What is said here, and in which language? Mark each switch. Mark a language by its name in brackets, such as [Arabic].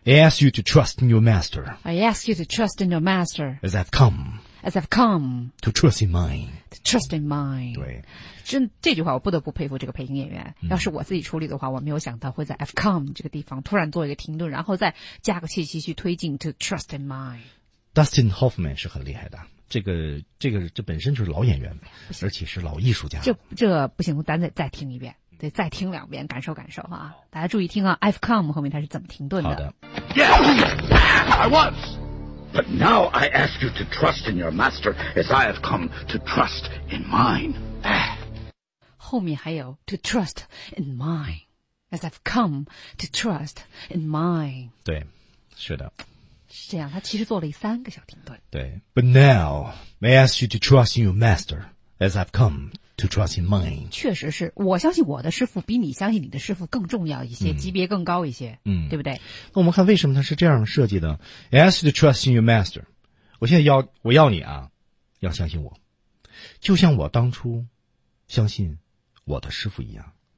[English] I ask you to trust in your master. I ask you to trust in your master. As I've come. As I've come. To trust in mine. To trust in mine. [Chinese] 对，这句话我不得不佩服这个配音演员。要是我自己处理的话，我没有想到会在 I've come 这个地方突然做一个停顿，然后再加个气息去推进 to trust in mine。 Dustin Hoffman 是很厉害的。这本身就是老演员，而且是老艺术家。这不行，咱再听一遍，得再听两遍，感受感受啊！大家注意听啊 ， I've come 后面它是怎么停顿的？好的。 [English] Yes, I was, but now I ask you to trust in your master as I have come to trust in mine. 后面还有 to trust in mine as I've come to trust in mine. [Chinese] 对，是的。是这样，他其实做了三个小停顿。 [English] 对，But now, may I ask you to trust in your master as I've come to trust in mine？ [Chinese] 确实是，我相信我的师傅比你相信你的师傅更重要一些，级别更高一些，对不对？那我们看为什么他是这样设计的 ？ I ask you to trust in your master。我现在我要你啊，要相信我，就像我当初相信我的师傅一样。